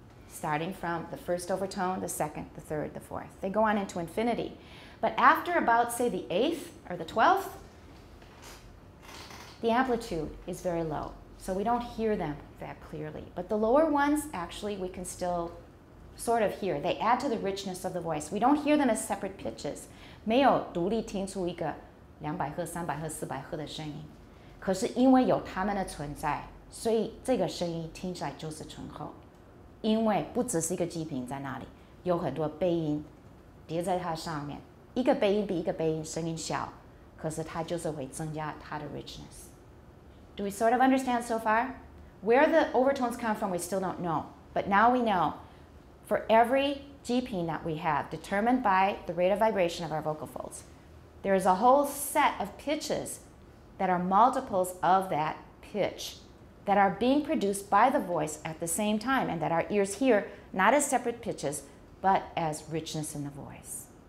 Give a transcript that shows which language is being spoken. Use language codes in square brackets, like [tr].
[en] Starting from the first overtone, the second, the third, the fourth. They go on into infinity. But after about, say, the eighth or the twelfth, the amplitude is very low. So we don't hear them that clearly. But the lower ones, actually, we can still sort of hear. They add to the richness of the voice. We don't hear them as separate pitches. [zh] 没有独立听出一个200赫、300赫、400赫的声音。可是因为有它们的存在，所以这个声音听起来就是醇厚，因为不只是一个基频在那里，有很多倍音叠在它上面，一个倍音比一个倍音声音小，可是它就是会增加它的 richness。 [en] Do we sort of understand so far? Where the overtones come from, we still don't know. But now we know, for every G频 that we have, determined by the rate of vibration of our vocal folds, there is a whole set of pitches that are multiples of that pitch that are being produced by the voice at the same time, and that our ears hear not as separate pitches, but as richness in the voice.